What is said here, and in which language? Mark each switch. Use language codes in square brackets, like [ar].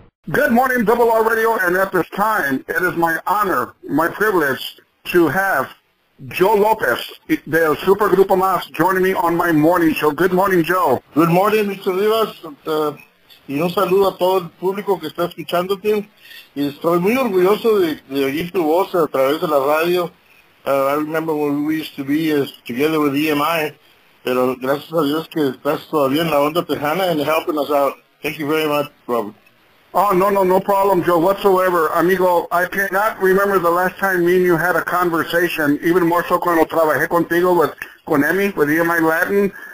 [en] Good morning, Double R Radio, and at this time, it is my honor, my privilege, to have Joe Lopez, the Supergrupo Mas, joining me on my morning show. Good morning, Joe. Good morning, Mr. Rivas. [es] Y un saludo a todo el público que está escuchándote. Y estoy muy orgulloso de oír tu voz a través de la radio. [en] I remember when we used to be together with EMI. [es] Pero gracias a Dios que estás todavía en la onda tejana [en] and helping us out. Thank you very much, Robert. Oh, no problem, Joe, whatsoever. Amigo, I cannot remember the last time me and you had a conversation, even more so [es] cuando trabajé contigo con Emmy, [en] with EMI Latin.